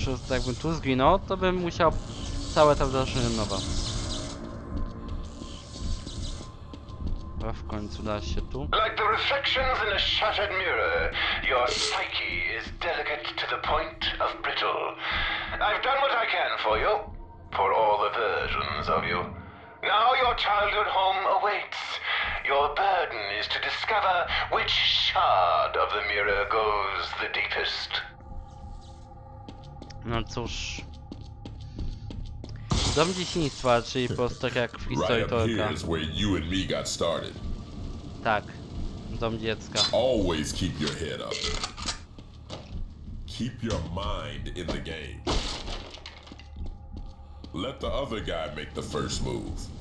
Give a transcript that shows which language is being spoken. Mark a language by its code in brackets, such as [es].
[pl] Jakbym tu zginął, to bym musiał całe tam zacząć od nowa. A w końcu da się tu. [en] Like the reflections in a shattered mirror, your psyche is delicate to the point of brittle. I've done what I can for you, for all the versions of you. Now your childhood home awaits. Your burden is to discover which shard of the mirror goes the deepest. [pl] No cóż. Dom dzieciństwa, czyli po prostu tak jak w historii Tolka. [en] Right up here is where you and me got started. [pl] Tak. Dom dziecka. [en] Always keep your head up. Keep your mind in the game. Let the other guy make the first move.